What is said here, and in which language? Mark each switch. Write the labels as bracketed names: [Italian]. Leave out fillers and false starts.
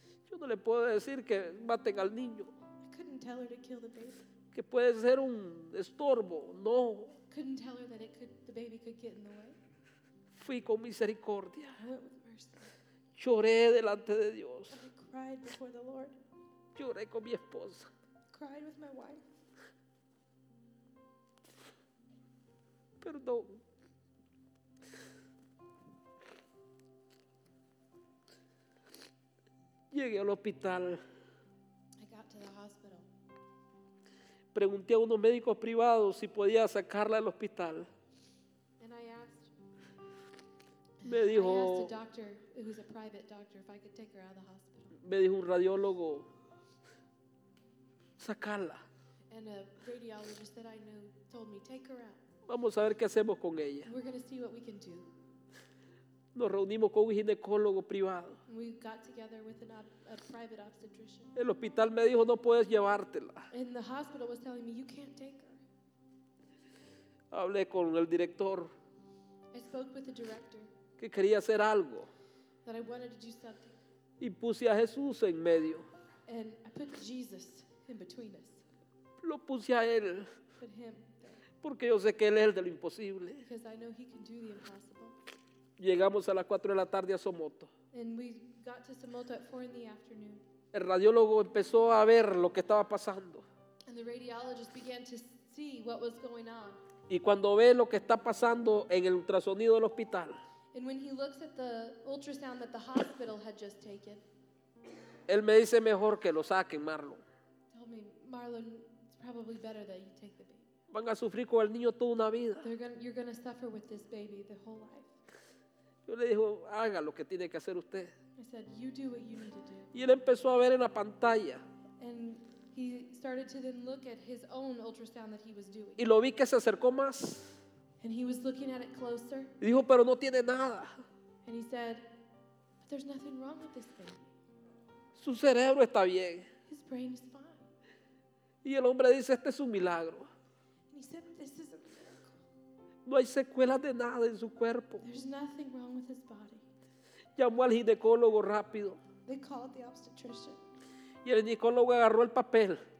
[Spanish] Yo no le puedo decir que maten al niño. [English] I couldn't tell her to kill the baby. [Spanish] Que puede ser un estorbo. No. [English] I couldn't tell her that it could, the baby could get in the way. [Spanish] Fui con misericordia. [English] I went with mercy. [Spanish] Lloré delante de Dios. [English] I cried before the Lord. [Spanish] Lloré con mi esposa. [English] I cried with my wife. [Spanish] Perdón. Llegué al hospital. [English] I got to the hospital. [Spanish] Pregunté a unos médicos privados si podía sacarla del hospital. [English] And I asked. [Spanish] Me dijo. [English] I asked a doctor. It was a private doctor if I could take her out of the hospital. [Spanish] Me dijo un radiólogo, sacarla. [English] And a radiologist that I know told me, take her out. [Spanish] Vamos a ver qué hacemos con ella. [English] We're going to see what we can do. [Spanish] Nos reunimos con un ginecólogo privado. [English] We got together with a private obstetrician. [Spanish] El hospital me dijo, no puedes llevártela. [English] And the hospital was telling me, you can't take her. [Spanish] Hablé con el director. [English] I spoke with the director. [Spanish] Que quería hacer algo. [English] That I wanted to do something. [Spanish] Y puse a Jesús en medio. [English] And I put Jesus in between us. [Spanish] Lo puse a él. [English] Put him there. [Spanish] Porque yo sé que él es el de lo imposible. [English] Because I know he can do the impossible. [Spanish] Llegamos a las 4 de la tarde a Somoto. [English] And we got to Somoto at 4 in the afternoon. [Spanish] El radiólogo empezó a ver lo que estaba pasando. [English] And the radiologist began to see what was going on. [Spanish] Y cuando ve lo que está pasando en el ultrasonido del hospital. [English] And when he looks at the ultrasound that the hospital had just taken, [Spanish] él me dice mejor que lo saquen, Marlon. [English] Told me, Marlon, it's probably better that you take the baby. [Spanish] Van a sufrir con el niño toda una vida. [English] You're going to suffer with this baby the whole life. [Spanish] Yo le dijo, haga lo que tiene que hacer usted. [English] I said, you do what you need to do. [Spanish] Y él empezó a ver en la pantalla. [English] And he started to then look at his own ultrasound that he was doing. [Spanish] Y lo vi que se acercó más. [English] And he was looking at it closer. [Spanish] Y dijo, pero no tiene nada. [English] And he said, but there's nothing wrong with this baby. [Spanish] Su cerebro está bien. [English] His brain is fine. [Spanish] Y el hombre dice, este es un milagro. [English] And he said, this is a miracle. [Spanish] No hay secuelas de nada en su cuerpo. [English] There's nothing wrong with his body. [Spanish] Llamó al ginecólogo rápido. [English] They called the obstetrician. [Spanish] Y el ginecólogo agarró el papel.